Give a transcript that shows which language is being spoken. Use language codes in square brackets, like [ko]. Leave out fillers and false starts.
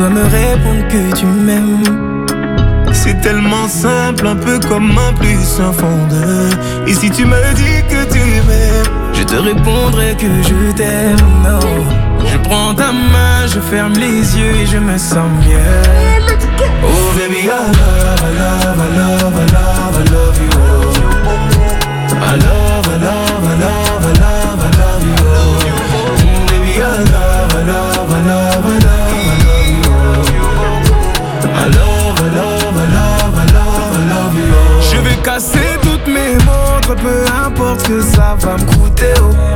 [fr] dois me répondre que tu m'aimes. C'est tellement simple, un peu comme un plus un fond deux. Et si tu me dis que tu m'aimes, je te répondrai que je t'aime. Non, je prends ta main, je ferme les yeux et je me sens mieux. [en] Oh baby, I love, I love, I love, I love, I love you. Oh. I love, I love, I love, I love, I love you. Oh. Mm, baby, I love, I love, I love, I love, I love you. Oh. I love, I love, I love, I love, I love you. Oh. [fr] Je vais casser toutes mes montres, peu importe que ça va me coûter. Oh.